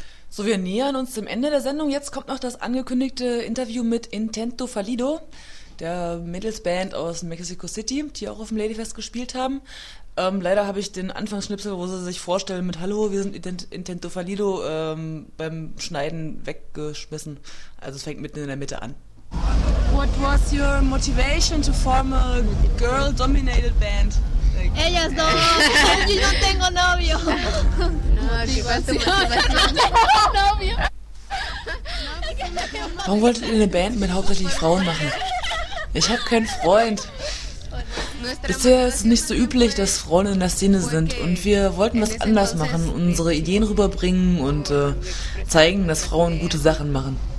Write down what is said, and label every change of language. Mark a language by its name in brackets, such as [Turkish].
[German] So, wir nähern uns dem Ende der Sendung. Jetzt kommt noch das angekündigte Interview mit Intento Fallido, der Mädelsband aus Mexico City, die auch auf dem Ladyfest gespielt haben. Leider habe ich den Anfangsschnipsel, wo sie sich vorstellen mit Hallo, wir sind Intento Fallido, beim Schneiden weggeschmissen. Also es fängt mitten in der Mitte an. [English] What was your motivation to form a girl-dominated band? [Spanish] Ellas dos, yo no tengo novio. [German] No, warum wolltet ihr eine Band mit hauptsächlich Frauen machen? Ich habe keinen Freund. Bisher ist es nicht so üblich, dass Frauen in der Szene sind und wir wollten was anders machen, unsere Ideen rüberbringen und zeigen, dass Frauen gute Sachen machen.